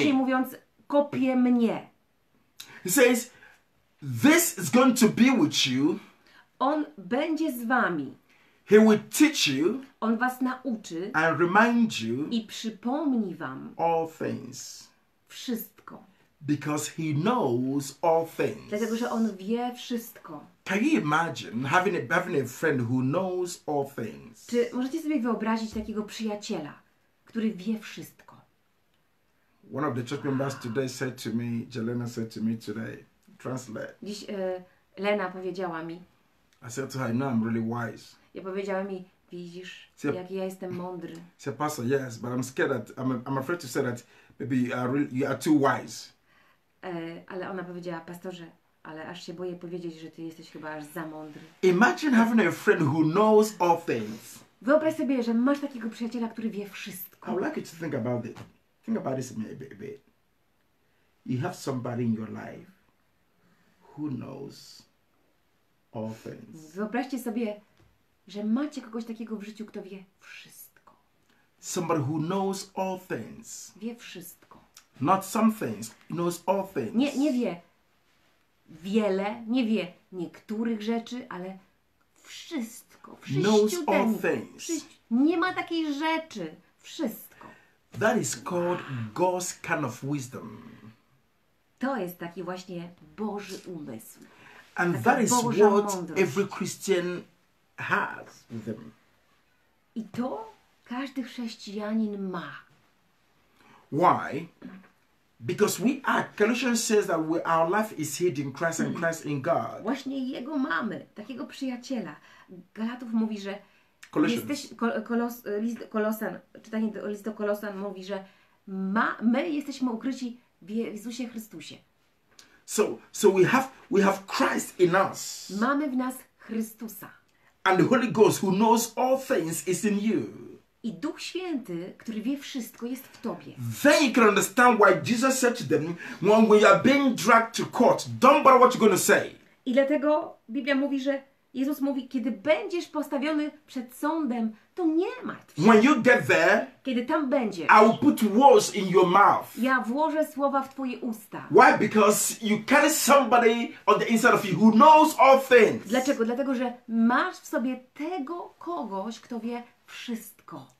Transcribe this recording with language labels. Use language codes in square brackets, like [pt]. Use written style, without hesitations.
[pl] Inaczej mówiąc, kopię mnie. [en] He says, this is going to be with you. [pl] On będzie z wami. [en] He will teach you. [pl] On was nauczy. [en] And remind you. [pl] I przypomni wam. [en] All things. [pl] Wszystko. [en] Because he knows all things. [pl] Dlatego, że on wie wszystko. [en] Can you imagine having a friend who knows all things? [pl] Czy możecie sobie wyobrazić takiego przyjaciela, który wie wszystko? [en] One of the church members today said to me, Jelena said to me today, translate. [pl] Dziś Lena powiedziała mi. [en] I said to her, no, I'm really wise. [pl] Ja powiedziałem mi, widzisz, so, jak ja jestem mądry. [en] Said, so, pastor, yes, but I'm scared that, I'm afraid to say that maybe you are too wise. [pl] Ale ona powiedziała, pastorze, ale aż się boję powiedzieć, że ty jesteś chyba aż za mądry. [en] Imagine having a friend who knows all things. [pl] Wyobraź sobie, że masz takiego przyjaciela, który wie wszystko. [en] I would like you to think about it. Think about this a bit. You have somebody in your life who knows all things. [pl] Wyobraźcie sobie, że macie kogoś takiego w życiu, kto wie wszystko. [en] Somebody who knows all things. [pl] Wie wszystko. [en] Not some things, knows all things. [pl] Nie wie wiele, nie wie niektórych rzeczy, ale wszystko. [en] Knows all things. [pl] Nie ma takiej rzeczy. Wszystko. [en] That is called God's kind of wisdom. [pl] To jest taki właśnie Boży umysł. [en] And that is what every Christian has with them. [pl] I to każdy chrześcijanin ma. [en] Why? Because we are. Colossians says that our life is hid in Christ and Christ in God. [pl] Właśnie jego mamy, takiego przyjaciela. Galatów mówi, że jesteś list do Kolosan, czytanie do list do Kolosan mówi, że my jesteśmy ukryci w Jezusie Chrystusie. [en] So we have Christ in us. [pl] Mamy w nas Chrystusa. [en] And the Holy Ghost, who knows all things, is in you. [pl] I Duch Święty, który wie wszystko, jest w tobie. [en] Then you can understand why Jesus said to them, when we are being dragged to court, don't bother what you're going to say. [pl] I dlatego Biblia mówi, że Jezus mówi, kiedy będziesz postawiony przed sądem, to nie martw się. [en] When you get there, [pl] kiedy tam będziesz, [en] I will put words in your mouth. [pl] Ja włożę słowa w twoje usta. [en] Why? Because you carry somebody on the inside of you who knows all things. [pl] Dlaczego? Dlatego, że masz w sobie tego kogoś, kto wie wszystko.